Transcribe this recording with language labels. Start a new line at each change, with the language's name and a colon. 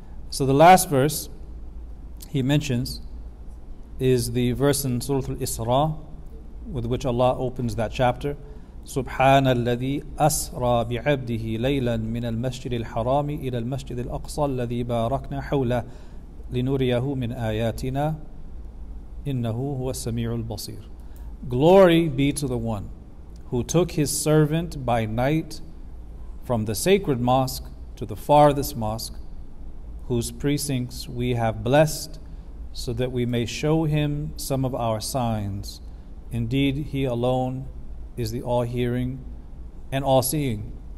English: So the last verse he mentions is the verse in Surah Al-Isra, with which Allah opens that chapter.
Arabic: سبحان الذي أسرى بعبده ليلا من المسجد الحرام إلى المسجد الأقصى الذي باركنا حوله لنريه من آياتنا إنه هو السميع البصير.
English: Glory be to the one who took his servant by night from the sacred mosque to the farthest mosque, whose precincts we have blessed so that we may show him some of our signs. Indeed, he alone is the all-hearing and all-seeing.